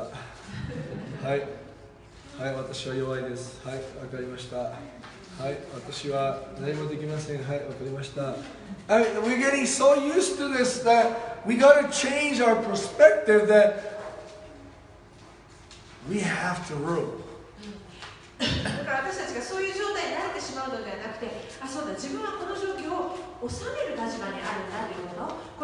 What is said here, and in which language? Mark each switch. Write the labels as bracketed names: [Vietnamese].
[Japanese] はい、はい、私は弱いです。はい、わかりました。はい、私は何もできません。はい、わかりました。 [English] I mean, we're getting so used to this that we gotta change our perspective that we have to rule. [Japanese] だから私たちがそういう状態に慣れてしまうのではなくて、あ、そうだ、自分はこの状況を収める立場にあるんだということ。